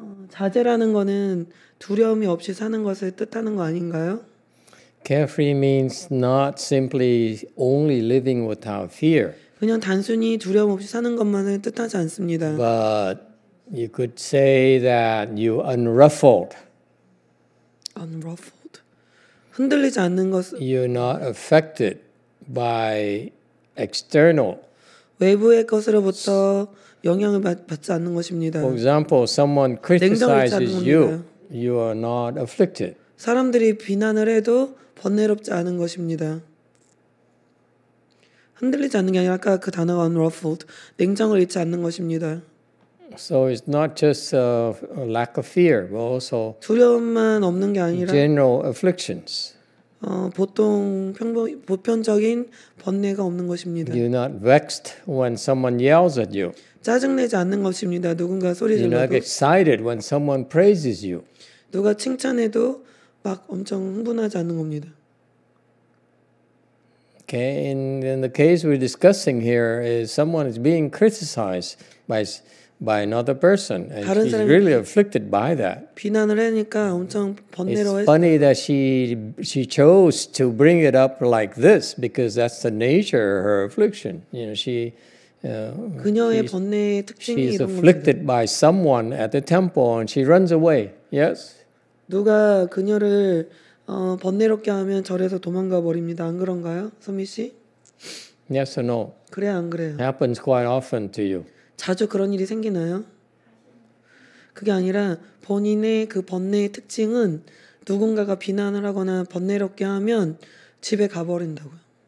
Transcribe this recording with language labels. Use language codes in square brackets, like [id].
[ko] 자제라는 거는 두려움이 없이 사는 것을 뜻하는 거 아닌가요? [en] Carefree means not simply only living without fear. [ko] 그냥 단순히 두려움 없이 사는 것만을 뜻하지 않습니다. [en] But you could say that you unruffled. [ko] Unruffled. 흔들리지 않는 것을. [en] You're not affected by external. [ko] 외부의 것으로부터 영향을 받지 않는 것입니다. [en] For example, someone criticizes you. you are not afflicted. [ko] 사람들이 비난을 해도 번뇌롭지 않은 것입니다. 흔들리지 않는 게 아니라 아까 그 단어가 unruffled, 냉정을 잃지 않는 것입니다. [en] So it's not just a lack of fear, but also [ko] 두려움만 없는 게 아니라 [en] general afflictions. [ko] 보통 평범 보편적인 번뇌가 없는 것입니다. [en] You're not vexed when someone yells at you. [ko] 짜증내지 않는 것입니다. 누군가 소리 질러도 [en] You're not excited when someone praises you. [ko] 누가 칭찬해도 막 엄청 흥분하지 않는 겁니다. [en] Okay, in the case we're discussing here is someone is being criticized by another person, and she's really afflicted by that. [ko] 비난을 하니까 엄청 번뇌로. [en] It's funny that she chose to bring it up like this because that's the nature of her affliction. You know, she. [ko] 그녀의 번뇌의 특징이 이런 겁니다. [en] She's afflicted by someone at the temple, and she runs away. Yes. [ko] 누가 그녀를 번뇌롭게 하면 절에서 도망가 버립니다. 안 그런가요, 소미 씨? [en] Yes or no? [ko] 그래 안 그래요? [en] Happens quite often to you. [ko] 자주 그런 일이 생기나요? 그게 아니라 본인의 그 번뇌의 특징은 누군가가 비난을 하거나 번뇌롭게 하면 집에 가버린다고요.